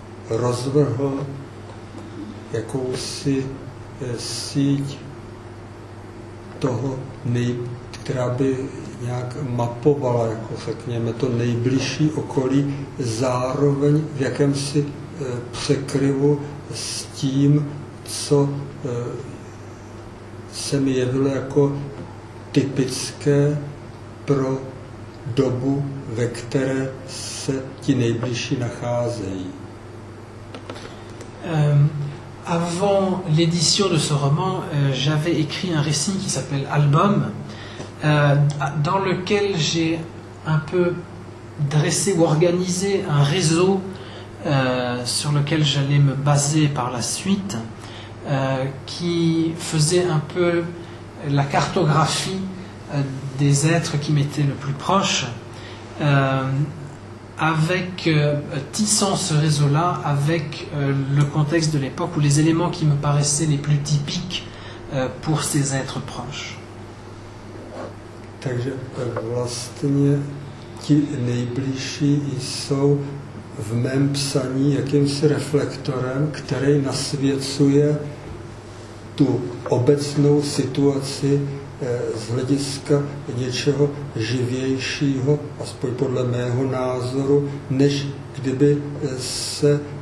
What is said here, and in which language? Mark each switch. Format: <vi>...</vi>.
<cs>rozvrhl jakousi síť toho, která by nějak mapovala, jako řekněme, to nejbližší okolí, zároveň v jakémsi překryvu s tím, co se mi jevilo jako typické pro dobu, ve které se ti nejbližší nacházejí.</cs> <fr>Avant l'édition de ce roman, j'avais écrit un récit qui s'appelle Album, dans lequel j'ai un peu dressé ou organisé un réseau sur lequel j'allais me baser par la suite, qui faisait un peu la cartographie des êtres qui m'étaient le plus proches, avec tissant ce réseau-là avec le contexte de l'époque ou les éléments qui me paraissaient les plus typiques pour ces êtres proches.</fr> <cs>Takže vlastně ti nejbližší jsou v mém psaní jakýmsi reflektorem, který nasvěcuje tu obecnou situaci z hlediska něčeho živějšího, aspoň podle mého názoru, než kdyby se</cs>